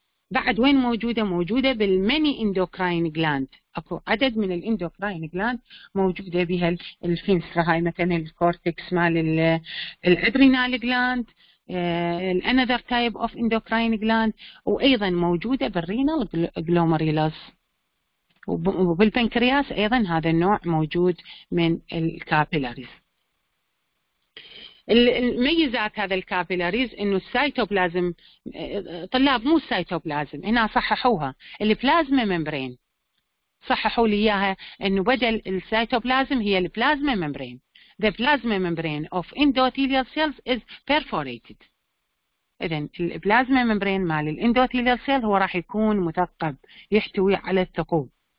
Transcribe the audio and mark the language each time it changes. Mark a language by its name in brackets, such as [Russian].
[Arabic] بعد وين موجوده؟ موجوده بالميني اندوكراين جلاند، اكو عدد من الاندوكراين جلاند موجوده بها الفينسرا، هاي مثلا الكورتكس مال الادرينال جلاند، الانذر تايب اوف اندوكراين جلاند، وايضا موجوده بالرينال جلوميرولس وبالبنكرياس ايضا هذا النوع موجود من الكابيلاريز. الميزات هذا الكابيلاريز انه السيتوبلازم، طلاب مو السيتوبلازم هنا صححوها، البلازما ممبرين صححوا لي اياها انه بدل السيتوبلازم هي البلازما ممبرين. [English] The plasma membrane of endothelial cells is perforated. [Arabic] اذا البلازما ممبرين مال الاندوثيليال سيل هو راح يكون مثقب يحتوي على الثقوب.